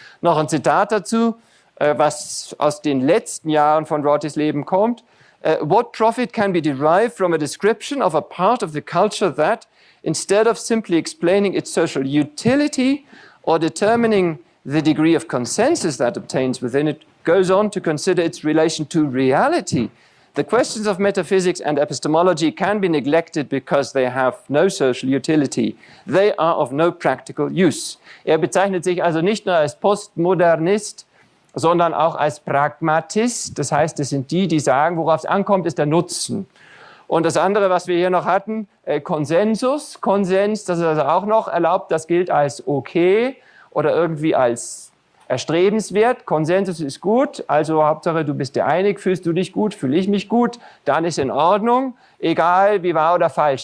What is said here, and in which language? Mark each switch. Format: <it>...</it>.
<de>Noch ein Zitat dazu, was aus den letzten Jahren von Rortys Leben kommt.</de> <en>What profit can be derived from a description of a part of the culture that, instead of simply explaining its social utility or determining the degree of consensus that obtains within it, goes on to consider its relation to reality? The questions of metaphysics and epistemology can be neglected because they have no social utility. They are of no practical use.</en> <de>Er bezeichnet sich also nicht nur als Postmodernist, sondern auch als Pragmatist. Das heißt, es sind die, die sagen, worauf es ankommt, ist der Nutzen. Und das andere, was wir hier noch hatten, Konsensus. Konsens, das ist also auch noch erlaubt, das gilt als okay oder irgendwie als erstrebenswert, Konsensus ist gut, also Hauptsache, du bist dir einig, fühlst du dich gut, fühle ich mich gut, dann ist in Ordnung, egal wie wahr oder falsch.</de>